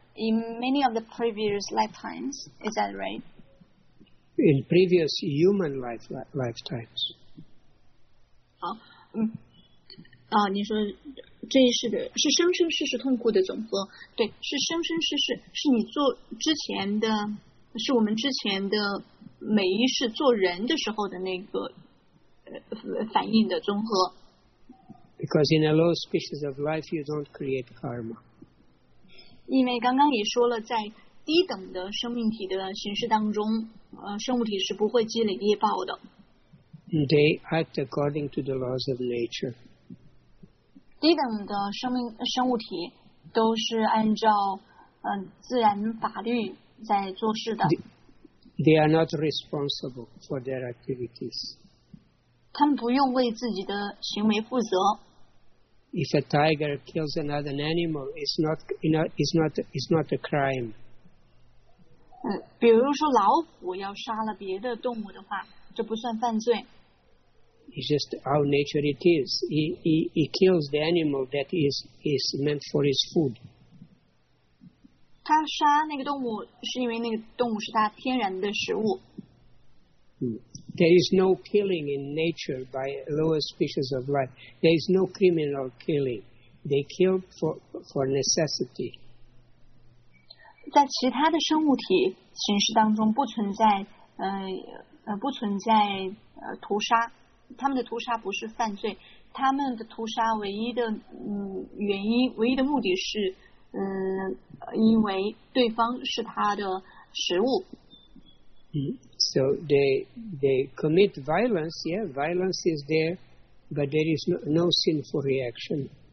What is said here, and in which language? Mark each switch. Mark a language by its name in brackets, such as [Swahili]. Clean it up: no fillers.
[English] In many of the previous lifetimes, is that right? In previous human lifetimes. [Chinese] 好，你说这一世的是生生世世痛苦的总和，对，是生生世世，是你做之前的，是我们之前的每一世做人的时候的那个反应的综合。 [English] Because in a low species of life, you don't create karma. [Chinese] 因为刚刚也说了，在低等的生命体的形式当中，生物体是不会积累业报的。 [English] They act according to the laws of nature. [Chinese] 低等的生物体都是按照自然法律在做事的。 [English] They are not responsible for their activities. [Chinese] 他们不用为自己的行为负责。 [English] if a tiger kills another animal, it's not a crime. [Chinese] 比如说老虎要杀了别的动物的话，这不算犯罪。 [English] It's just how nature it is. He kills the animal that is meant for his food. [Chinese] 他杀那个动物是因为那个动物是他天然的食物。 [English] There is no killing in nature by lower species of life. There is no criminal killing. They kill for necessity. [Chinese] 在其他的生物体形式当中不存在不存在屠杀。他们的屠杀不是犯罪，他们的屠杀唯一的原因，唯一的目的是因为对方是他的食物。 [English] So they commit violence, yeah, violence is there, but there is no sinful reaction.